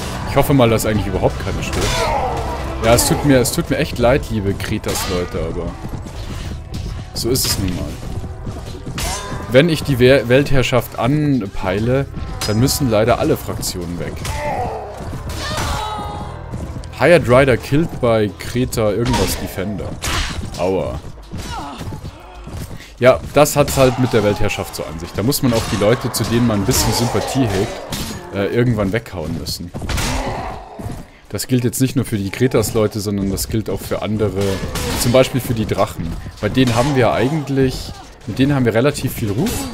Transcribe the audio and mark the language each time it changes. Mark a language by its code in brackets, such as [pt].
[de] Ich hoffe mal, dass eigentlich überhaupt keiner stirbt. Ja, es tut mir echt leid, liebe Kretas-Leute, aber so ist es nun mal. Wenn ich die Weltherrschaft anpeile, dann müssen leider alle Fraktionen weg. [en] Hired Rider killed by Kreta [de] irgendwas [en] Defender. [de] Aua. Ja, das hat's halt mit der Weltherrschaft so an sich. Da muss man auch die Leute, zu denen man ein bisschen Sympathie hegt, irgendwann weghauen müssen. Das gilt jetzt nicht nur für die Kretas-Leute, sondern das gilt auch für andere. Zum Beispiel für die Drachen. Bei denen haben wir eigentlich... Mit denen haben wir relativ viel Ruf.